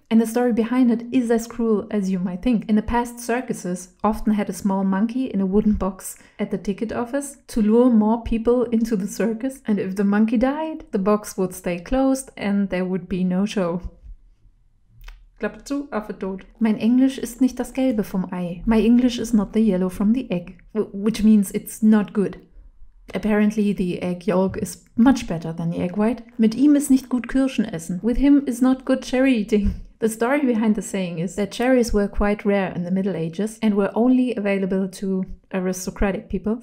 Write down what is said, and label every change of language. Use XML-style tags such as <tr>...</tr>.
<en>And the story behind it is as cruel as you might think. In the past, circuses often had a small monkey in a wooden box at the ticket office to lure more people into the circus. And if the monkey died, the box would stay closed and there would be no show.</en> <de>Klappe zu, Affe tot. Mein Englisch ist nicht das Gelbe vom Ei.</de> <en>My English is not the yellow from the egg. Which means it's not good. Apparently the egg yolk is much better than the egg white.</en> <de>Mit ihm ist nicht gut Kirschen essen.</de> <en>With him is not good cherry eating. The story behind the saying is that cherries were quite rare in the Middle Ages and were only available to aristocratic people.</en>